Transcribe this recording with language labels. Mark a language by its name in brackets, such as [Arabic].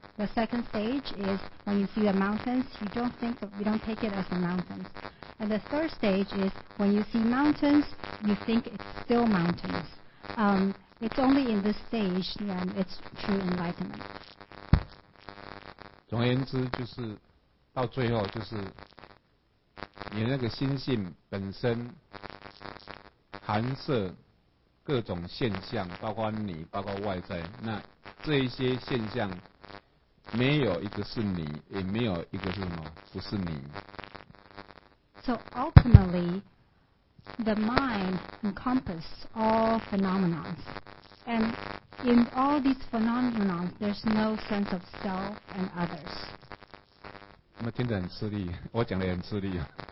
[English] The second stage is when you see the mountains, you don't take it as the mountains. And the third stage is when you see mountains, you think it's still mountains. It's only in this stage that it's true enlightenment. [Chinese] 总而言之，就是到最后，就是你那个心性本身含摄各种现象，包括你，包括外在，那这一些现象。没有一个是你，也没有一个是什么，不是你。 [English] So ultimately, the mind encompasses all phenomena, and in all these phenomena, there's no sense of self and others. [Chinese] 怎么听得很吃力？我讲得很吃力啊。